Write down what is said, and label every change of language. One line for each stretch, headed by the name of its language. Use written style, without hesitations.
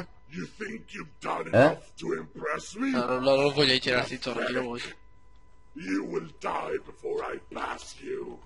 English: You think you've done enough to impress me?
Italian: No, non voglio girarti intorno, io voglio.
English: You will die before I pass you.